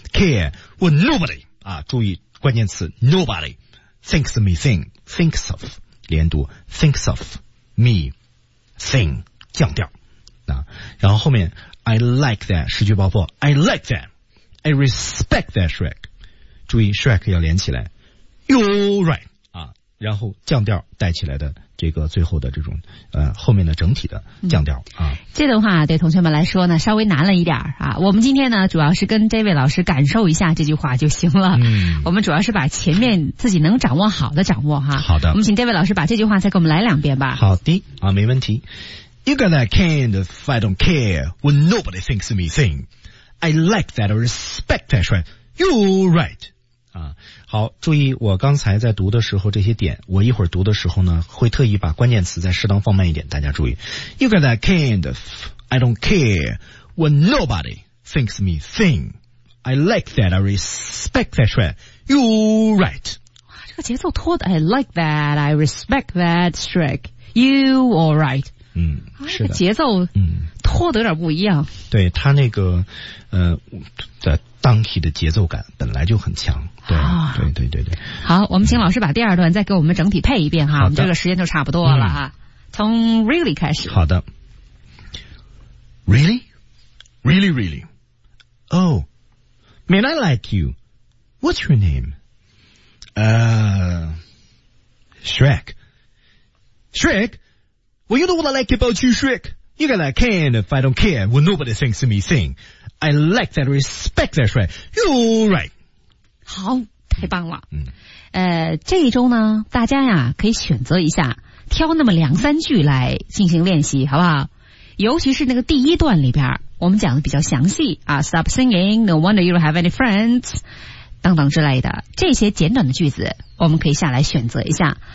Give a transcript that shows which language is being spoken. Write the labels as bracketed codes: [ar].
[en] Care with nobody。 [zh] 啊，注意关键词 [en] nobody thinks me thing thinks of [zh] 连读 [en] thinks of me thing [zh] 降调啊，然后后面 I like that 十句爆破 [en] I like that I respect that Shrek， [zh] 注意 Shrek 要连起来 [en] you're right [zh] 啊，然后降调带起来的这个最后的这种后面的整体的降调啊，这段话对同学们来说呢稍微难了一点啊。我们今天呢主要是跟这位老师感受一下这句话就行了。我们主要是把前面自己能掌握好的掌握哈。好的，我们请这位老师把这句话再给我们来两遍吧。好的啊，没问题。 [en] You got that kind of I don't care when nobody thinks of me thing. I like that, I respect that, right? You're right. [zh] 好，注意我刚才在读的时候这些点，我一会儿读的时候呢会特意把关键词再适当放慢一点，大家注意。 [en] You got that kind of I don't care when nobody thinks me thing. I like that, I respect that, Shrek. You're right. [zh] 哇，这个节奏拖的 [en] I like that, I respect that, Shrek. You're right. [zh] 是的，这个节奏拖得有点不一样。对，他那个在Donkey 的节奏感本来就很强，对，对对对对。好，我们请老师把第二段再给我们整体配一遍哈，我们这个时间就差不多了哈。从 really 开始。 [en] 好的。Really? Really, really? Oh, man, I like you. What's your name? Shrek. Shrek? Well, you know what I like about you, Shrek? You got that kind of I don't care what nobody thinks of me thing.I like that, respect that, right? You're right. [zh] 好，太棒了。嗯，这一周呢，大家呀可以选择一下，挑那么两三句来进行练习，好不好？尤其是那个第一段里边，我们讲的比较详细啊 ， [en] Stop singing, no wonder you don't have any friends, [zh] 等等之类的这些简短的句子，我们可以下来选择一下。